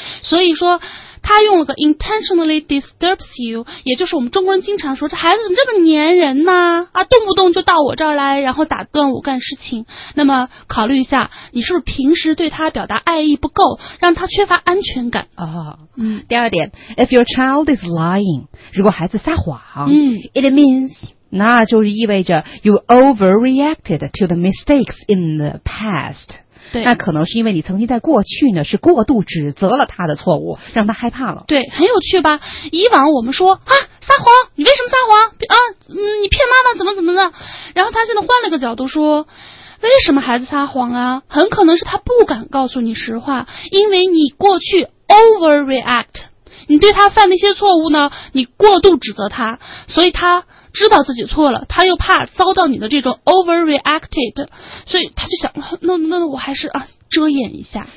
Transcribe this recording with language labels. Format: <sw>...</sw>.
<zh>所以说他用了个</zh> <en>intentionally disturbs you，</en> <zh>也就是我们中国人经常说这孩子怎么这么粘人呢，啊，动不动就到我这儿来然后打断我干事情。那么考虑一下你是不是平时对他表达爱意不够，让他缺乏安全感。第二点，</zh> <en>If your child is lying，</en> <zh>如果孩子撒谎，嗯，</zh> <en>it means，</en> <zh>那就是意味着</zh> <en>you overreacted to the mistakes in the past。</en> <zh>对，那可能是因为你曾经在过去呢是过度指责了他的错误，让他害怕了。对，很有趣吧？以往我们说啊，撒谎，你为什么撒谎啊？你骗妈妈怎么怎么的？然后他现在换了个角度说，为什么孩子撒谎啊？很可能是他不敢告诉你实话，因为你过去 overreact， 你对他犯那些错误呢，你过度指责他，所以他知道自己错了，他又怕遭到你的这种 overreacted， 所以他就想，那我还是啊遮掩一下。</zh>